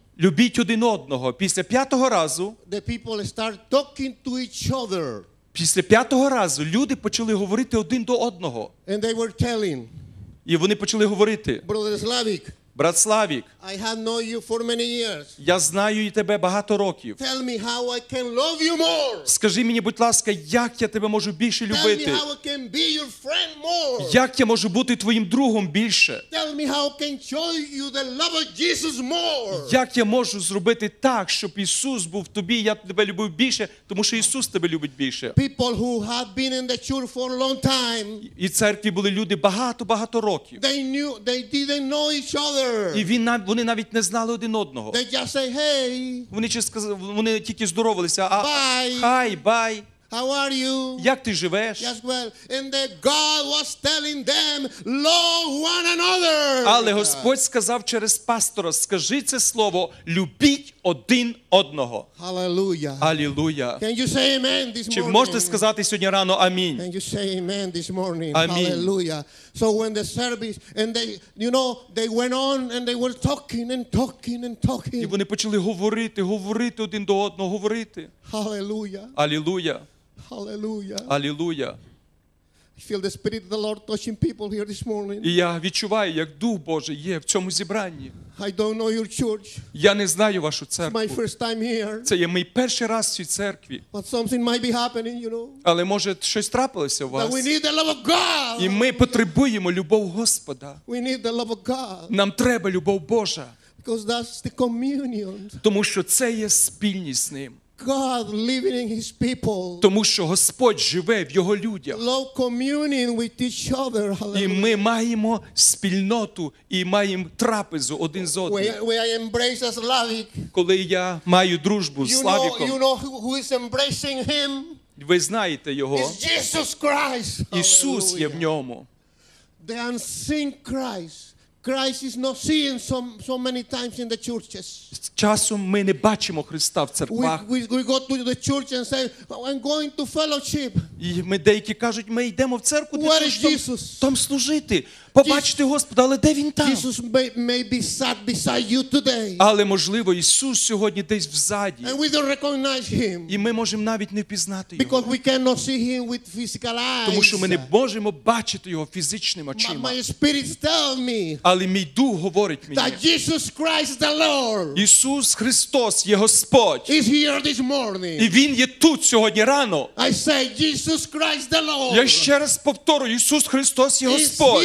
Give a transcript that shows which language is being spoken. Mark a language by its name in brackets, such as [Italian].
[Ukrainian] любіть один одного. Після 5-го разу, [English] the people start talking to each other. [Ukrainian] Після 5-го разу люди почали говорити один до одного. [English] And they were telling. [Ukrainian] І вони почали говорити. [English] Brother Slavik. [Ukrainian] Брат Славік. [English] I have known you for many years. [Ukrainian] Я знаю тебе багато років. [English] Tell me how I can love you more. [Ukrainian] Скажи мені, будь ласка, як я тебе можу більше любити? [English] Tell me how I can be your friend more. [Ukrainian] Як я можу бути твоїм другом більше? [English] Tell me how I can show you the love of Jesus more. [Ukrainian] Як я можу зробити так, щоб Ісус був в тобі, я тебе любив більше, тому що Ісус тебе любить більше. [English] People who have been in the church for a long time. [Ukrainian] І в церкві були люди багато-багато років. [English] They didn't know each other. [Ukrainian] І вони навіть не знали один одного. [English] They just say, hey. [Ukrainian] Вони тільки здоровалися. [English] Bye. Hi, bye. How are you? [Ukrainian] Як ти живеш? [English] Yes, well. And the God was telling them, love one another. [Ukrainian] Але Господь сказав через пастора, скажи це слово, любіть один одного. [English] Hallelujah. [Ukrainian] Алілуя. [English] Can you say amen this morning? [Ukrainian] Чи можете сказати сьогодні рано амінь? [English] Can you say amen this morning? [Ukrainian] Амінь. [English] Hallelujah. So when the service and they, you know, they went on and they were talking and talking and talking. [Ukrainian] І вони почали говорити, говорити один до одного, говорити. [English] Hallelujah. [Ukrainian] Алілуя. [English] Hallelujah. [Ukrainian] Алілуя. [English] I feel the spirit of the Lord touching people here this morning. [Ukrainian] І я відчуваю, як Дух Божий є в цьому зібранні. [English] I don't know your church. [Ukrainian] Я не знаю вашу церкву. [English] It's my first time here. [Ukrainian] Це є мій перший раз в цій церкві. [English] But something might be happening, you know. [Ukrainian] Але може щось трапилося у вас. [English] We need the love of God. [Ukrainian] І ми потребуємо любов Господа. [English] We need the love of God. [Ukrainian] Нам треба любов Божа. [English] Because that's the communion. [Ukrainian] Тому що це є спільність з ним. [English] God living in his people. [Ukrainian] Тому що Господь живе в його людях. [English] Love communing with each other. [Ukrainian] І ми маємо спільноту і маємо трапезу один з одним. [English] We embrace Slavik. [Ukrainian] Коли я маю дружбу з Славіком. [English] You know who is embracing him? [Ukrainian] Ви знаєте його. [English] It's Jesus Christ. [Ukrainian] Ісус є в ньому. [English] The unseen Christ. Christ is not seen so many times in the churches. [Ukrainian] Часом ми не бачимо Христа в церквах. [English] We go to the church and say, I'm going to fellowship. [Ukrainian] І ми деякі кажуть, ми йдемо в церкву, де Jesus? Там служити, побачити Господа, але де він там? [English] Jesus may be sat beside you today. [Ukrainian] Але можливо Ісус сьогодні десь взаді. [English] And we don't recognize him. [Ukrainian] І ми можемо навіть не впізнати його. [English] Because we cannot see him with physical eyes. [Ukrainian] Тому що ми не можемо бачити його фізичними очима. [English] My spirit tell me. [Ukrainian] Але мій дух говорить мені. [English] That Jesus Christ the Lord. [Ukrainian] Ісус Христос є Господь. [English] Is here this morning. [Ukrainian] І він є тут сьогодні рано. [English] I say Jesus Christ the Lord. [Ukrainian] Я ще раз повторюю, Ісус Христос є Господь.